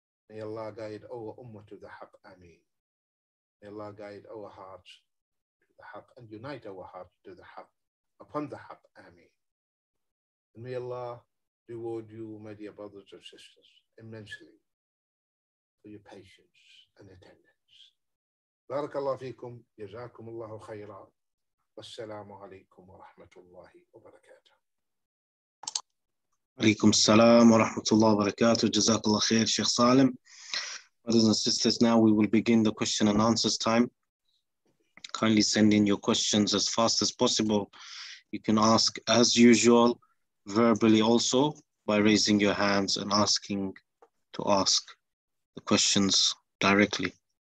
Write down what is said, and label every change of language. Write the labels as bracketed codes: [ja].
[en] May Allah guide our ummah to the haqq. Ameen. May Allah guide our hearts to the haqq and unite our hearts to the haqq upon the haqq. Ameen. And may Allah reward you, my dear brothers and sisters, immensely for your patience and attendance. [ar] Barakallahu feekum, jazakum Allahu khayra. والسلام عليكم ورحمة الله وبركاته. عليكم السلام ورحمة الله وبركاته. جزاك الله خير شيخ سالم. [en] Brothers and sisters, now we will begin the question and answers time. Kindly send in your questions as fast as possible. You can ask as usual, verbally also, by raising your hands and asking to ask the questions directly.